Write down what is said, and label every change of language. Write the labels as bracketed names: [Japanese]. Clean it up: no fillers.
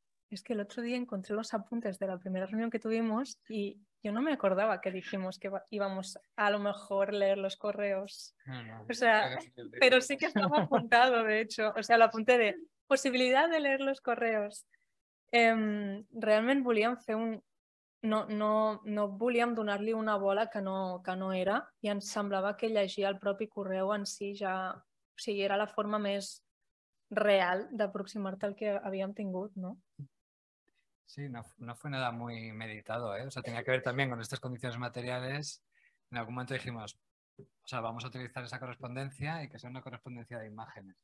[Spanish] Es que el otro día encontré los apuntes de la primera reunión que tuvimos y yo no me acordaba que dijimos que íbamos a lo mejor leer los correos. No, o sea, pero sí que estaba apuntado, de hecho. O sea, lo apunté de posibilidad de leer los correos. Realmente Bullion fue un... [Catalan] No volíem donar-li una bola que no era, i ens semblava que llegir el propi correu en si ja, o sigui, era la forma més real d'aproximar-te al que havíem tingut, no? [Spanish] Sí, no fue nada muy meditado, ¿eh? O sea, tenía que ver también con estas condiciones materiales. En algún momento dijimos, o sea, vamos a utilizar esa correspondencia y que sea una correspondencia de imágenes.